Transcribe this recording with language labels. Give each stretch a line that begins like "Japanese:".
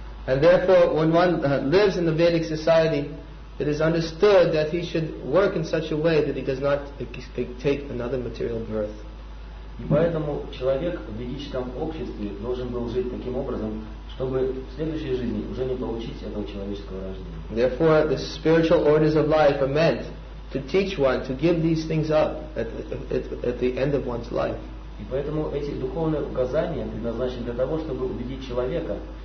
English: And therefore, when one lives in the Vedic society, it is understood that he should work in such a way that he does not take another material birth.
Russian: И поэтому человек в ведическом обществе должен был жить таким образом, чтобы в следующей жизни уже не получить этого человеческого рождения.
English: Therefore, the spiritual orders of life are meant to teach one to give these things up at the end of one's life.
Russian: И поэтому эти духовные указания предназначены для того, чтобы убедить человека